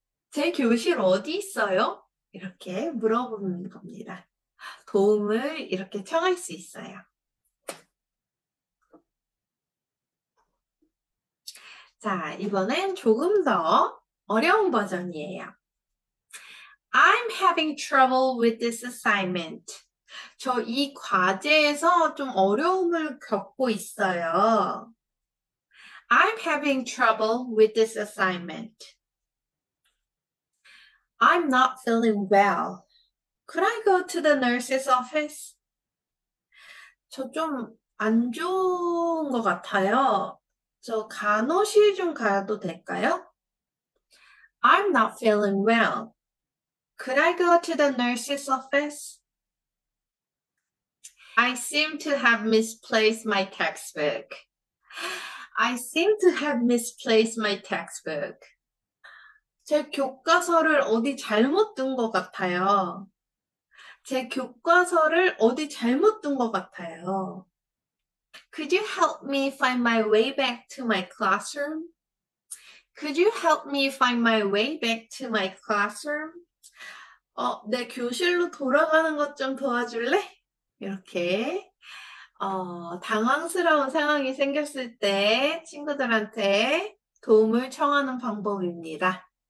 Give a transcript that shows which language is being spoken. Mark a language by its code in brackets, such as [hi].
[ko] 제 교실 어디 있어요? 이렇게 물어보는 겁니다. 도움을 이렇게 청할 수 있어요. 자, 이번엔 조금 더 어려운 버전이에요. [en] I'm having trouble with this assignment. [ko] 저이 과제에서 좀 어려움을 겪고 있어요. [en] I'm having trouble with this assignment. I'm not feeling well. Could I go to the nurse's office? [ko] 저좀안 좋은 것 같아요. 저 간호실 좀 가도 될까요? [en] I'm not feeling well. Could I go to the nurse's office? I seem to have misplaced my textbook. I seem to have misplaced my textbook. [ko] 제 교과서를 어디 잘못 둔것 같아요. 제 교과서를 어디 잘못 둔것 같아요. [en] Could you help me find my way back to my classroom? Could you help me find my way back to my classroom? [ko] 내 교실로 돌아가는 것좀 도와줄래? 이렇게 당황스러운 상황이 생겼을 때 친구들한테 도움을 청하는 방법입니다.